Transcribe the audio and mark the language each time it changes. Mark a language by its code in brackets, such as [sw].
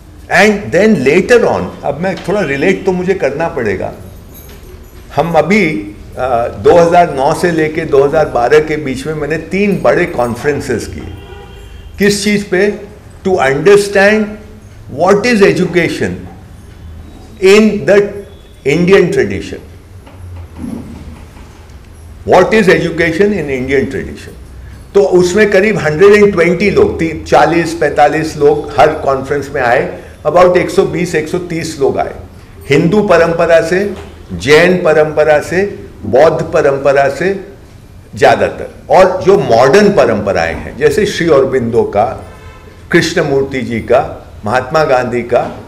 [en] and then later on, [hi] अब मैं थोड़ा रिलेट तो मुझे करना पड़ेगा, हम अभी 2009 से लेके 2012 के बीच में मैंने तीन बड़े कॉन्फ्रेंसेस किए, किस चीज़ पे, [en] To understand What is education in the Indian tradition? What is education in Indian tradition? [hi] तो उसमें करीब 120 लोग, 40-45 लोग हर कॉन्फ्रेंस में आए, अबाउट 120-130 लोग आए, हिंदू परंपरा से, जैन परंपरा से, बौद्ध परंपरा से ज़्यादातर, और जो मॉडर्न परंपराएं हैं जैसे श्री अरबिंदो का, कृष्णमूर्ति जी का, महात्मा गांधी का,